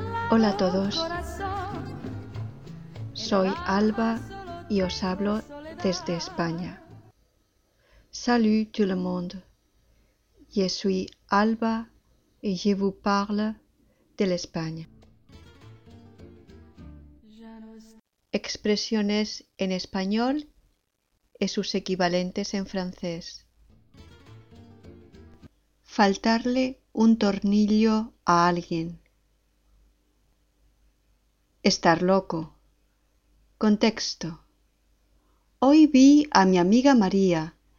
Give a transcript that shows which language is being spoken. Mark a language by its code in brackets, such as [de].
[es] Hola a todos, soy Alba y os hablo desde España. [fr] Salut tout le monde, je suis Alba y je vous parle de l'Espagne. [es] Expresiones en español y sus equivalentes en francés. Faltarle un tornillo a alguien. Estar loco. Contexto. Hoy vi a mi amiga María.